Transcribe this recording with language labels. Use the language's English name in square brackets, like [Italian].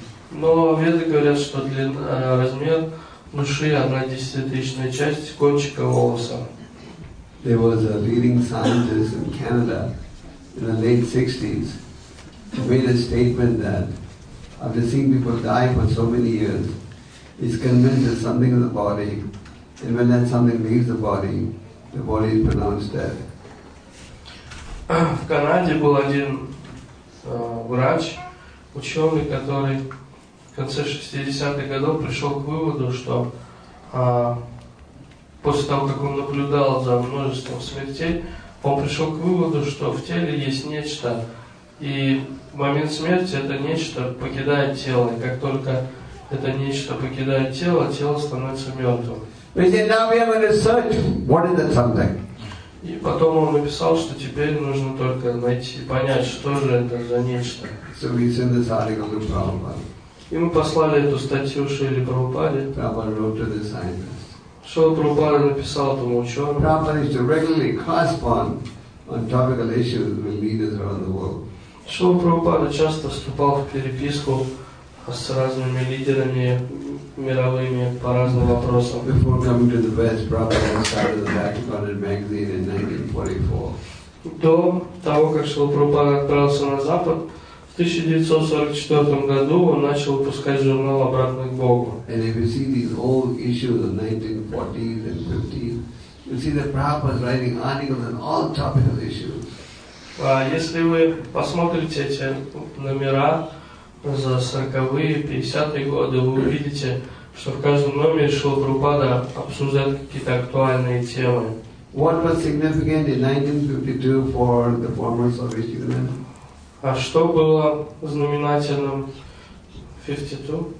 [Russian] Но веды говорят, что размер души одна десятичная часть кончика волоса. [English] There was a leading scientist in Canada in the late 60s who made a statement that after seeing people die for so many years, he's convinced there's something in the body, and when that something leaves the body is pronounced dead. [Russian] В Канаде был один врач, ученый, который в конце 60-х годов пришел к выводу, что после того, как он наблюдал за множеством смертей, он пришел к выводу, что в теле есть нечто, и в момент смерти это нечто покидает тело, и как только это нечто покидает тело, тело становится мертвым. [English] He said, now we have a research. What is that something? [Russian] И потом он написал, что теперь нужно только найти, понять, что же это за нечто. [English] So we sent this article to Prabhupada. [Russian] И мы послали эту статью Шриле Прабхупаде. [English] Prabhupada wrote to the scientist. [Russian] Шрила Прабхупада написал этому ученому. [English] Prabhupada used to regularly correspond on topical issues with leaders around the world. [Russian] Шрила Прабхупада часто вступал в переписку с разными лидерами мировыми по разным вопросам. [English] Before coming to the West, Prabhupada started the Backpacker magazine in 1944. [Russian] До того, как Шрила Прабхупада отправился на Запад, в 1944 году он начал выпускать журнал «Обратный к Богу». [English] And if you see these old issues of 1940s and 50s, you see that Prabhupada is writing articles on all topical issues. [Russian] Если вы посмотрите эти номера за 40-е, 50-е годы, вы увидите, что в каждом номере Шрила Прабхупада обсуждает какие-то актуальные темы. [English] What was significant in 1952 for the former Soviet Union? [Russian] А что было знаменательным в 52?